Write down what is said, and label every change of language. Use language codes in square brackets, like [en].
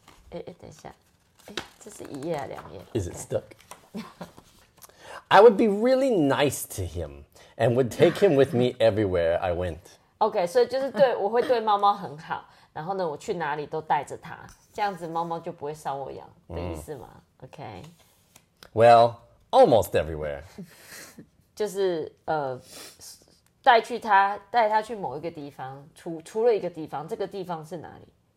[zh] 哎哎，等一下，哎，这是一页啊，两页。 [en] Is it stuck? I would be really nice to him and would take him with me everywhere I went. [zh] Okay, 所以就是对，我会对猫猫很好，然后呢，我去哪里都带着它，这样子猫猫就不会烧我痒的意思嘛。 [en] OK. Well, almost everywhere. [zh] 就是带它去某一个地方，除了一个地方，这个地方是哪里